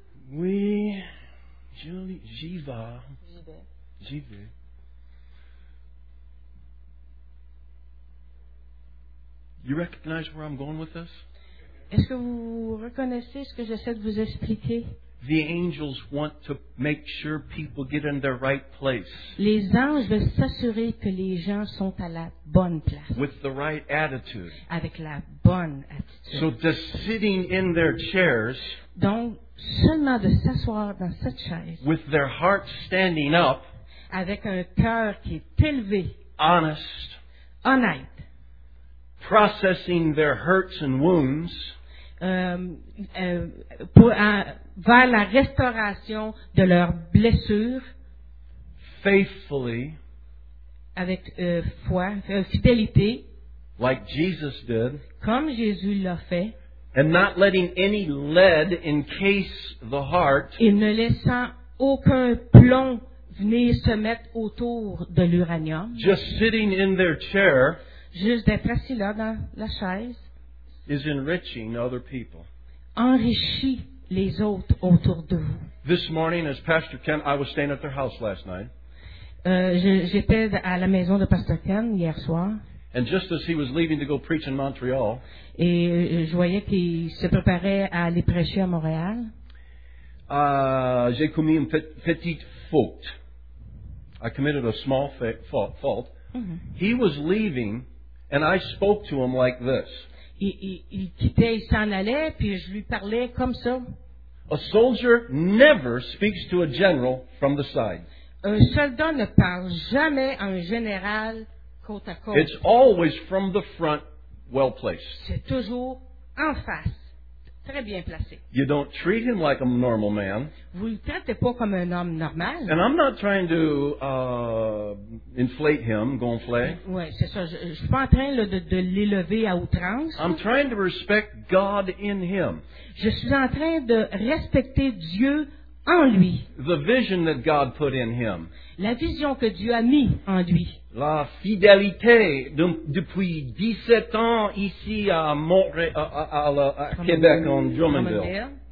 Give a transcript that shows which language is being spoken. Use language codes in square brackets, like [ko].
[fr] Oui, j'y vais. [en] You recognize where I'm going with this? [fr] Est-ce que vous reconnaissez ce que j'essaie de vous expliquer? [en] The angels want to make sure people get in their right place. [fr] Les anges veulent s'assurer que les gens sont à la bonne place. [en] With the right attitude. [fr] Avec la bonne attitude. [en] So just sitting in their chairs. [fr] Donc seulement de s'asseoir dans cette chaise. [en] With their heart standing up. [fr] Avec un cœur qui est élevé. [en] Honest. [fr] Honnête. [en] Processing their hurts and wounds. [fr] Vers la restauration de leurs blessures. [en] Faithfully. [fr] Avec foi, fidélité. [en] Like Jesus did. [fr] Comme Jésus l'a fait. [en] And not letting any lead encase the heart. [fr] Et ne laissant aucun plomb venir se mettre autour de l'uranium. [en] Just sitting in their chair. [fr] Juste d'être assis là dans la chaise [en] is enriching other people. [fr] Enrichit les autres autour de vous. [en] This morning, as Pastor Ken, I was staying at their house last night. [fr] J'étais à la maison de Pastor Ken hier soir. [en] And just as he was leaving to go preach in Montreal, [fr] et je voyais qu'il se préparait à aller prêcher à Montréal, j'ai commis une petite faute. [en] I committed a small fault. He was leaving, and I spoke to him like this. [fr] Il quittait, il s'en allait, puis je lui parlais comme ça. [en] A soldier never speaks to a general from the side. [fr] Un soldat ne parle jamais à un général côte à côte. [en] It's always from the front, well placed. [fr] C'est toujours en face, très bien placé. [en] You don't treat him like a normal man. [fr] Vous le traitez pas comme un homme normal. [en] And I'm not trying to inflate him, gonfler. [fr] Ouais, c'est ça. Je suis pas en train là, de l'élever à outrance. [en] I'm trying to respect God in him. [fr] Je suis en train de respecter Dieu en lui. [en] The vision that God put in him. [fr] La vision que Dieu a mis en lui. La fidélité de, depuis 17 ans ici à Montréal, à Québec, en Drummondville.